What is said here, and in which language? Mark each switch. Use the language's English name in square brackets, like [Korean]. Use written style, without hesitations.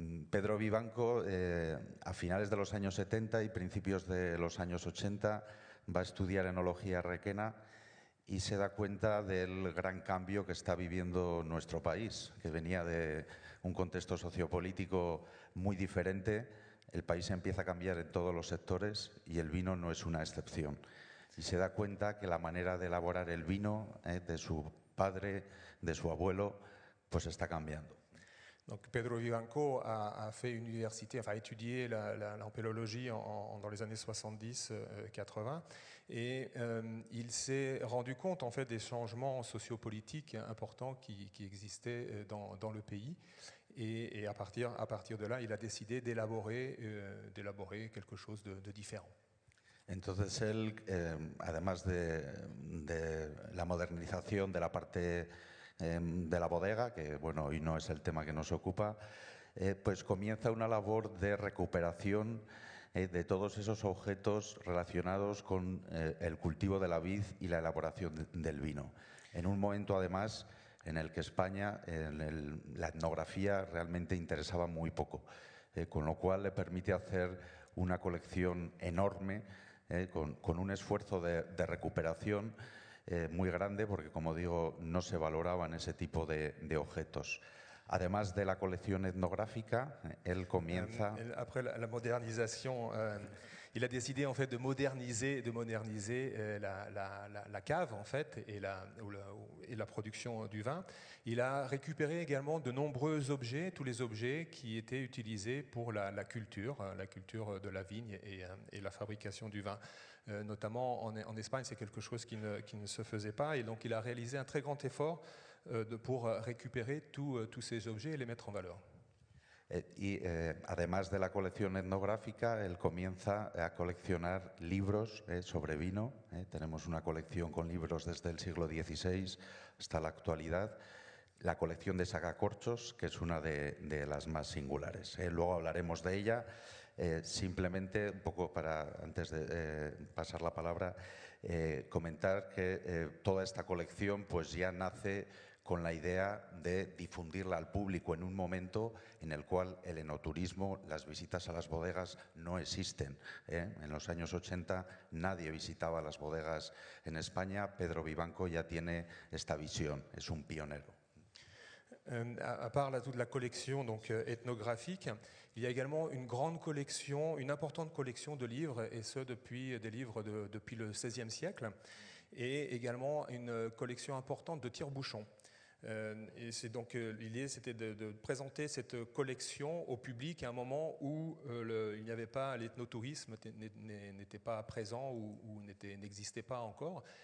[Spanish] Pedro Vibanco, a finales de los años 70 y principios de los años 80, va a estudiar enología requena y se da cuenta del gran cambio que está viviendo nuestro país, que venía de un contexto sociopolítico muy diferente. El país empieza a cambiar en todos los sectores y el vino no es una excepción. Y se da cuenta que la manera de elaborar el vino de su padre, de su abuelo, pues está cambiando. [French] Donc Pedro Vivanco a fait une université, enfin a étudié l'empélologie dans les années 70-80, et il s'est rendu compte en fait des changements sociopolitiques importants qui existaient dans le pays. Et à partir de là, il a décidé d'élaborer quelque chose de différent. [Spanish] Entonces él, además de la modernización de la parte de la bodega, que bueno, hoy no es el tema que nos ocupa, pues comienza una labor de recuperación de todos esos objetos relacionados con el cultivo de la vid y la elaboración del vino. En un momento, además, en el que España, la etnografía realmente interesaba muy poco, con lo cual le permite hacer una colección enorme, con un esfuerzo de recuperación muy grande, porque como digo, no se valoraban ese tipo de objetos. Además de la colección etnográfica, él comienza... [French] Après la modernisation, il a décidé en fait de moderniser la cave en fait et la production du vin. Il a récupéré également de nombreux objets, tous les objets qui étaient utilisés pour la culture de la vigne et la fabrication du vin. Notamment en Espagne, c'est quelque chose qui ne se faisait pas. Et donc, il a réalisé un très grand effort pour récupérer tous ces objets et les mettre en valeur. [Spanish] Y además de la colección etnográfica, él comienza a coleccionar libros sobre vino. Tenemos una colección con libros desde el siglo XVI hasta la actualidad. La colección de sacacorchos, que es una de las más singulares. Luego hablaremos de ella. Simplemente, un poco para antes de pasar la palabra, comentar que toda esta colección pues ya nace con la idea de difundirla al público en un momento en el cual el enoturismo, las visitas a las bodegas no existen. En los años 80 nadie visitaba las bodegas en España. Pedro Vivanco ya tiene esta visión, es un pionero. [French] À part toute la collection donc ethnographique, il y a également une grande collection, une importante collection de livres, et ce depuis des livres depuis le XVIe siècle, et également une collection importante de tire-bouchons. Et c'est donc l'idée, c'était de présenter cette collection au public à un moment où il n'y avait pas l'ethnotourisme n'était pas présent ou n'existait pas encore.